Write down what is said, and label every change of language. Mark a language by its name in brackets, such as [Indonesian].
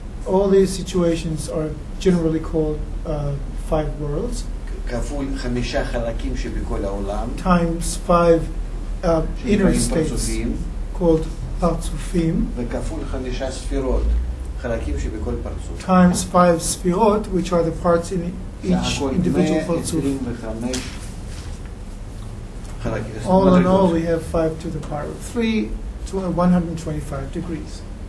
[English] All these situations are generally called five worlds. [Hebrew] כפול חמישה חלקים שבכל העולם. [English] Times five inner states called parzufim. [Hebrew] וכפול חמישה ספירות, חלקים שבכל פרצוף. [English] Times five ספירות, which are the parts in each individual parzuf. All in all, we have 5 to the power of 3 to 125 degrees.